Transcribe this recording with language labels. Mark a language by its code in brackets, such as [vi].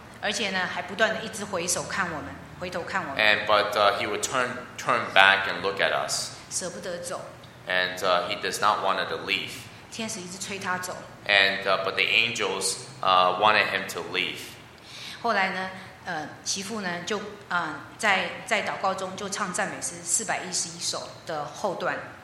[zh] 而且呢，还不断的一直回首看我们，回头看我们。 [en] But he would turn back and look at us. [zh] 舍不得走。 [en] And he does not want to leave. [zh] 天使一直催他走。 [en] And but the angels wanted him to leave. [zh] 后来呢？媳妇呢就在祷告中就唱赞美诗411首的后段。